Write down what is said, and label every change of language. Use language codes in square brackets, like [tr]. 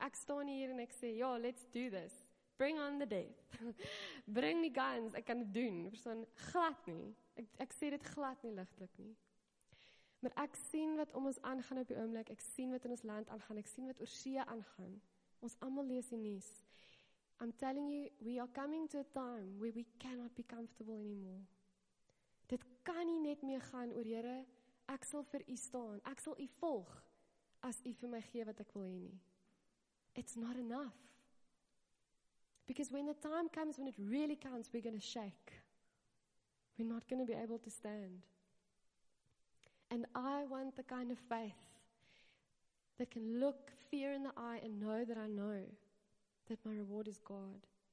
[af] Ek staan hier en ek sê, ja, [en] let's do this. Bring on the death. [af] Bring die guns, ek kan dit doen. Verstaan, glad nie. Ek sê dit glad nie ligtelik nie. Maar ek sien wat om ons aangaan op die oomblik, ek sien wat in ons land aangaan, ek sien wat oor see aangaan. Ons allemaal lees die nuus. [en] I'm telling you, we are coming to a time where we cannot be comfortable anymore. [af] Dit kan nie net meer gaan oor Here, ek sal vir u staan, ek sal u volg, as u vir my gee wat ek wil hê nie. [en] It's not enough. Because when the time comes, when it really counts, we're going to shake. We're not going to be able to stand. And I want the kind of faith that can look fear in the eye and know that I know that my reward is God.